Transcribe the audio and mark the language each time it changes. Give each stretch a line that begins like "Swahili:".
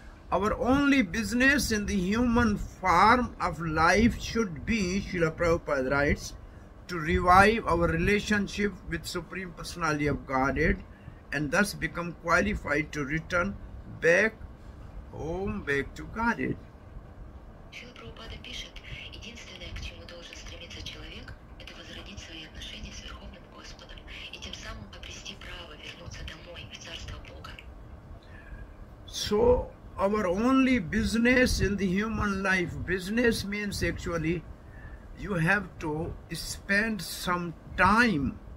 English: Our only business in the human form of life should be, Srila Prabhupada writes, to revive our relationship with Supreme Personality of Godhead and thus become qualified to return back home, back to Godhead.
Russian: Srila Prabhupada пишет, единственное, к чему должен стремиться человек, это возродить свои отношения с Верховным Господом и тем самым обрести право вернуться домой, в Царство Бога.
English: So, our only business in the human life, business means actually, you have to spend some time.